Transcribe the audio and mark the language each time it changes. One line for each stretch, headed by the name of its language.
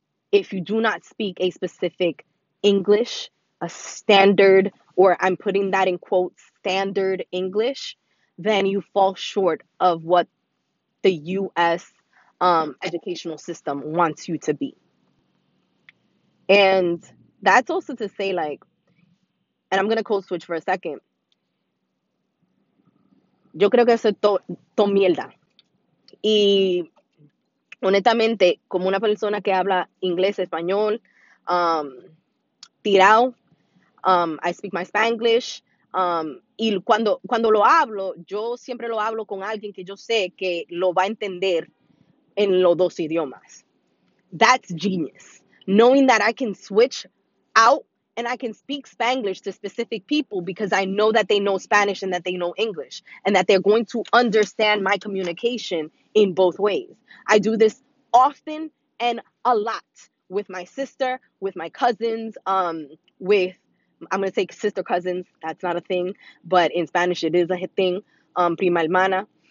English: If you do not speak a specific English, a standard, or I'm putting that in quotes, standard English, then you fall short of what the U.S. Educational system wants you to be. And that's also to say, like, and I'm going to code switch for a second.
Spanish: Yo creo que eso es todo mierda. Y honestamente, como una persona que habla inglés, español, tirado,
English: I speak my Spanglish.
Spanish: Y cuando lo hablo, yo siempre lo hablo con alguien que yo sé que lo va a entender en los dos idiomas.
English: That's genius. Knowing that I can switch out and I can speak Spanglish to specific people because I know that they know Spanish and that they know English and that they're going to understand my communication in both ways. I do this often and a lot with my sister, with my cousins, I'm going to say sister cousins, that's not a thing, but in Spanish it is a thing,
Spanish: prima hermana.